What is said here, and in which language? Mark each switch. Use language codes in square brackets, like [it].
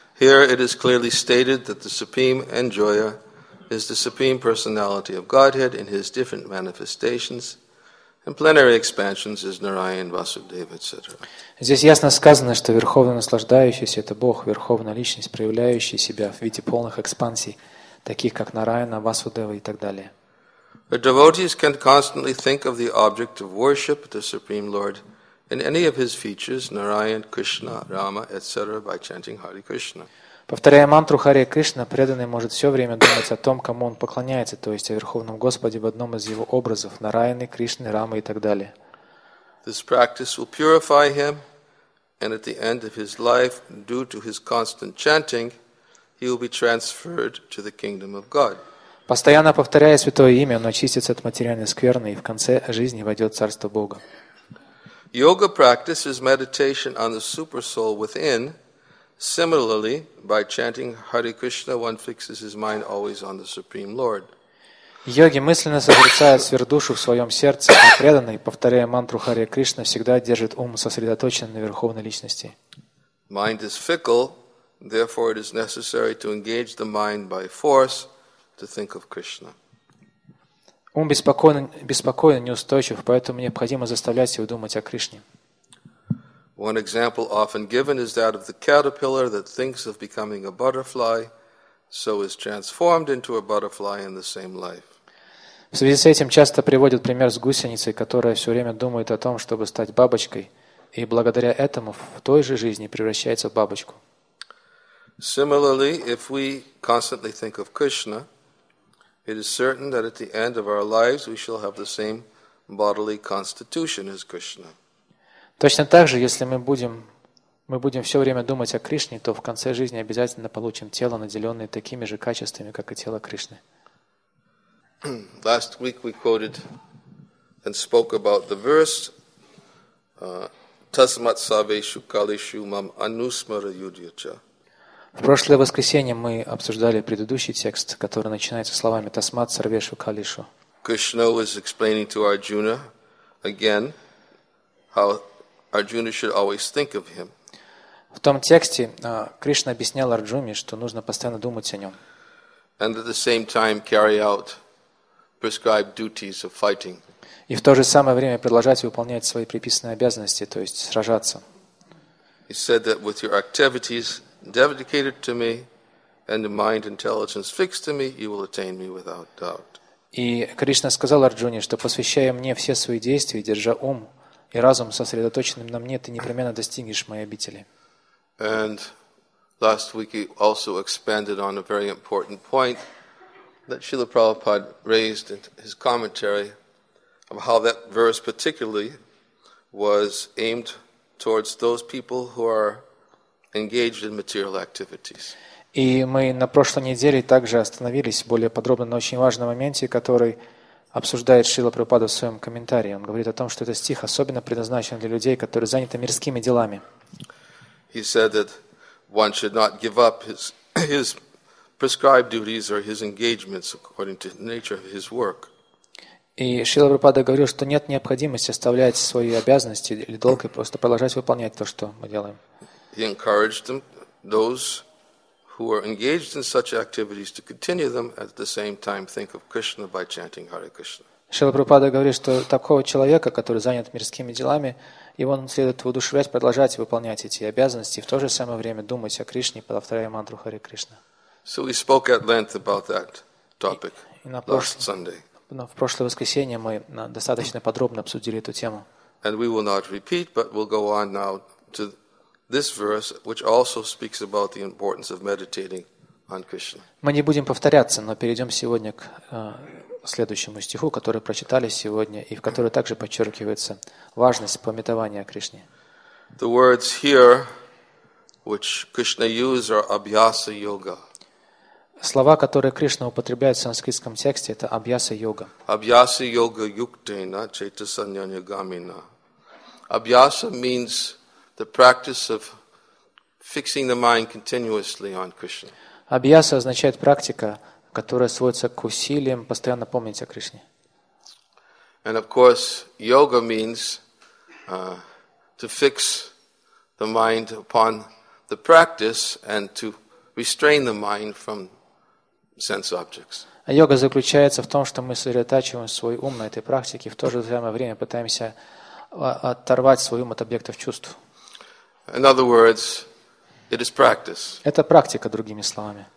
[en] Here it is clearly stated that the supreme enjoyer is the supreme personality of Godhead in his different manifestations. And plenary expansions is Narayan, Vasudeva, etc. [ru] Здесь ясно сказано, что Верховный Наслаждающийся – это Бог, Верховная Личность, проявляющая себя в виде полных экспансий, таких как Нараяна, Васудева и так далее. [en] The devotees can constantly think of the object of worship, the Supreme Lord, in any of his features, Narayan, Krishna, Rama, etc., by chanting Hare Krishna. [ru] Повторяя мантру Харе Кришна, преданный может все время думать о том, кому он поклоняется, то есть о Верховном Господе в одном из его образов – Нараяны, Кришны, Рамы и так далее. [en] This practice will purify him, and at the end of his life, due to his constant chanting, he will be transferred to the kingdom of God. [ru] Постоянно повторяя святое имя, он очистится от материальной скверны и в конце жизни войдет в Царство Бога. [en] Yoga practice is meditation on the supersoul within. Similarly, by chanting Hare Krishna, one fixes his mind always on the Supreme Lord. [ru] Йоги мысленно созерцают сверхдушу в своем сердце, а преданный, повторяя мантру Харе Кришна, всегда держит ум сосредоточенным на Верховной Личности. [en] Mind is fickle, therefore it is necessary to engage the mind by force to think of Krishna. [ru] Ум беспокоен, неустойчив, поэтому необходимо заставлять его думать о Кришне. [en] One example often given is that of the caterpillar that thinks of becoming a butterfly, so is transformed into a butterfly in the same life. [ru] В связи с этим часто приводят пример с гусеницей, которая все время думает о том, чтобы стать бабочкой, и благодаря этому в той же жизни превращается в бабочку. [en] Similarly, if we constantly think of Krishna, it is certain that at the end of our lives we shall have the same bodily constitution as Krishna. [ru] Точно так же, если мы будем все время думать о Кришне, то в конце жизни обязательно получим тело, наделенное такими же качествами, как и тело Кришны. [en] Last week we quoted and spoke about the verse [sa] Tasmat Saveshu Kalishu Mam Anusmara Yudhyacha. [ru] В прошлое воскресенье мы обсуждали предыдущий текст, который начинается словами [sa] Tasmat Sarveshu Kalishu. [en] Krishna was explaining to Arjuna again how Arjuna should always think of him. [ru] В том тексте Кришна объяснял Арджуне, что нужно постоянно думать о нем. [en] And at the same time carry out prescribed duties of fighting. [ru] И в то же самое время продолжать выполнять свои приписанные обязанности, то есть сражаться. [en] He said that with your activities dedicated to me and mind intelligence fixed to me, you will attain me without doubt. [ru] И Кришна сказал Арджуне, что посвящая мне все свои действия, держа ум и разум сосредоточенным на мне, ты непременно достигнешь моей обители. [en] And last week he also expanded on a very important point that Srila Prabhupada raised in his commentary of how that verse particularly was aimed towards those people who are engaged in material activities. [ru] И мы на прошлой неделе также остановились более подробно на очень важном моменте, который обсуждает Шрила Прабхупада в своем комментарии. Он говорит о том, что этот стих особенно предназначен для людей, которые заняты мирскими делами. [en] He said that one should not give up his prescribed duties or his engagements according to the nature of his work. [ru] И Шрила Прабхупада говорил, что нет необходимости оставлять свои обязанности или долг и просто продолжать выполнять то, что мы делаем. [en] He encouraged them, those who are engaged in such activities, to continue them at the same time think of Krishna by chanting Hare Krishna. [ru] Шрила Прабхупада говорит, что такого человека, который занят мирскими делами, его следует воодушевлять, продолжать выполнять эти обязанности и в то же самое время думать о Кришне, повторяя мантру Харе Кришна. [en] So we spoke at length about that topic last Sunday. [ru] В прошлое воскресенье мы достаточно подробно обсудили эту тему. [en] And we will not repeat, but we'll go on now to this verse, which also speaks about the importance of meditating on Krishna. [ru] Мы не будем повторяться, но перейдем сегодня к следующему стиху, который прочитали сегодня, и в который также подчеркивается важность памятования о Кришне. [en] The words here, which Krishna used, are Abhyasa Yoga. [ru] Слова, которые Кришна употребляет в санскритском тексте, это Абьяса Йога. [sa] Абьяса Йога Юктейна Чайтасаньяня Гамина. [en] Абьяса means the practice of fixing the mind continuously on Krishna. [ru] Абьяса означает практика, которая сводится к усилиям постоянно помнить о Кришне. [en] And of course, yoga means to fix the mind upon the practice and to restrain the mind from sense objects. [ru] А йога заключается в том, что мы сосредотачиваем свой ум на этой практике, в то же самое время пытаемся оторвать свой ум от объектов чувств. [en] In other words, it is practice. [ru] Это практика, другими словами.